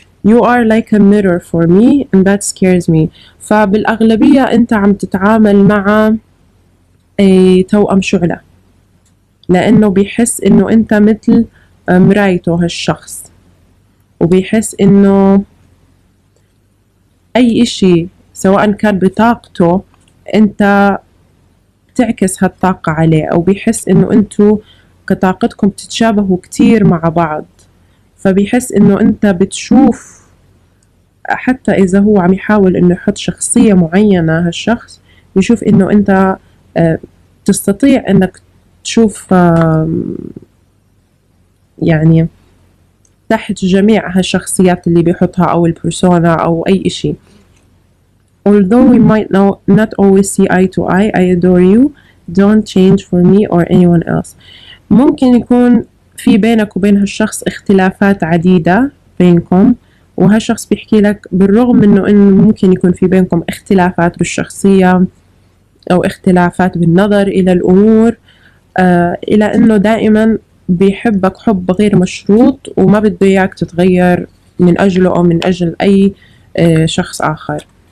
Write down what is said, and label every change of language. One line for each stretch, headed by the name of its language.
English: You are like a mirror for me and that scares me،
Arabic: فبالأغلبية أنت عم تتعامل مع توأم شعلة، لأنه بيحس إنه أنت مثل مرايته هالشخص، وبيحس إنه أي إشي سواء كان بطاقته أنت تعكس هالطاقة عليه، أو بيحس إنه أنتو كطاقتكم تتشابهوا كتير مع بعض، فبيحس إنه أنت بتشوف، حتى إذا هو عم يحاول إنه يحط شخصية معينة هالشخص، يشوف إنه أنت تستطيع إنك تشوف يعني تحت جميع هالشخصيات اللي بيحطها أو البرسونا أو أي إشي.
English: Although we might not always see eye to eye, I adore you. Don't change for me or anyone else.
Arabic: ممكن يكون في بينك وبين هالشخص اختلافات عديدة بينكم، وهالشخص بيحكي لك بالرغم من إنه ممكن يكون في بينكم اختلافات بالشخصية أو اختلافات بالنظر إلى الأمور، إلى إنه دائما بيحبك حب غير مشروط، وما بده إياك تتغير من أجله أو من أجل أي شخص آخر.